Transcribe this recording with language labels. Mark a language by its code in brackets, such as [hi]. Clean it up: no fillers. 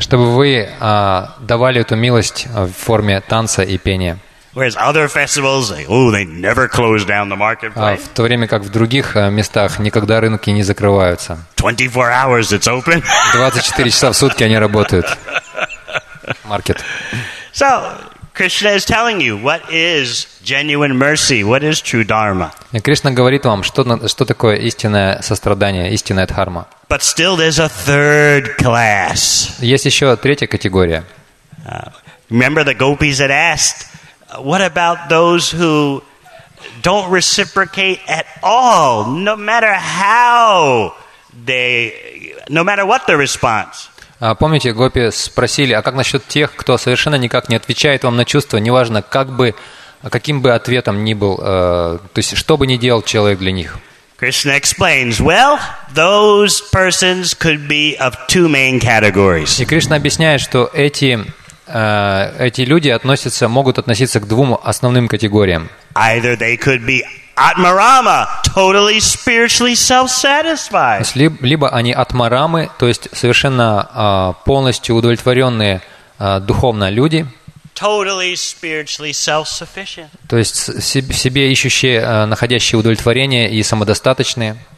[ru] Чтобы вы давали эту милость в форме танца и пения. [en] Whereas other festivals, they never close down the marketplace. [ru] В то время как в других местах никогда рынки не закрываются. [en] 24 hours it's open. [ru] 24 часа в сутки они работают. [en] Market. So Krishna is telling you what is genuine mercy, what is true dharma. [ru] Кришна говорит вам, что такое истинное сострадание, истинная дхарма. [en] But still there's a third class. [ru] Есть еще третья категория. [en] Remember the gopis had asked, what about those who don't reciprocate at all, no matter what the response? [ru] Помните, гопи спросили, а как насчет тех, кто совершенно никак не отвечает вам на чувства, неважно, каким бы ответом ни был, то есть что бы ни делал человек для них? [en] Krishna explains, well, those persons could be of two main categories. [ru] И Кришна объясняет, что эти люди могут относиться к двум основным категориям. [en] Either they could be Атмарама, totally spiritually self-satisfied. [ru] Либо они атмарамы, то есть совершенно полностью удовлетворенные духовно люди. [en] Totally spiritually self-sufficient. [ru] То есть в себе ищущие, находящие удовлетворение и самодостаточные.